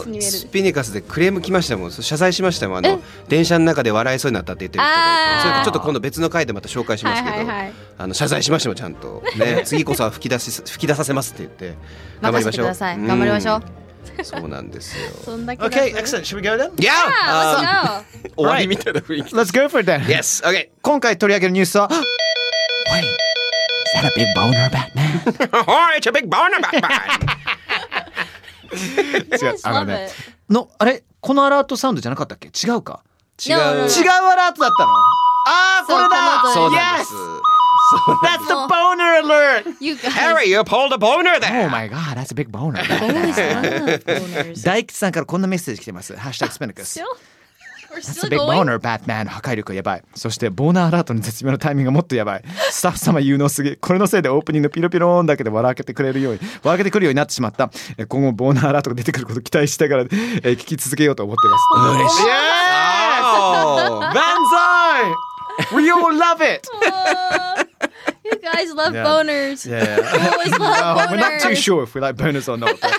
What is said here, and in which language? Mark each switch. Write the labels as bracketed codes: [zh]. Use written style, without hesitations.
[ja] です、スピニカスでクレーム来ましたもん、謝罪しましたもん、あの電車の中で笑いそうになったって言ってる、ちょっと今度別の回でまた紹介しますけど、はいはいはい、あの謝罪しましたもん、ちゃんと、ね、次こそは吹き出させますって言って頑張りましょう、任せてください、頑張りましょう、うん、そうなんですよ。そんだけだ。 [en] Okay, excellent. Should we go then? Yeah. Let's go. [ja] 終わりみたいな雰囲気。 [en] Let's go for it then. Yes. Okay. [ja] 今回取り上げるニュースは。 [en] Wait. Is that a big boner, Batman? Oh, it's a big boner, Batman. [ja] 違う。あのね。のあれこのアラートサウンドじゃなかったっけ？違うか。違う。違うアラートだったの。ああこれだ。そうなんです。 [en] That's the boner alert! You guys. Harry, you pulled a boner there! Oh my god, that's a big boner. Oh, he's one of boners. [ja] 大吉さんからこんなメッセージ来てます。 [en] Hashtag Spinnacus. That's a big boner, Batman. [ja] 破壊力やばい。そしてボーナーアラートの絶妙なタイミングがもっとやばい。スタッフ様有能すぎ。これのせいでオープニングのピロピローンだけで笑わけてくれるように、笑わけてくるようになってしまった。今後もボーナーアラートが出てくることを期待したから、聞き続けようと思ってます。嬉しい。バンザイ [en] We all love it! You guys love boners. Yeah. Always love boners. We're not too sure if we like boners or not.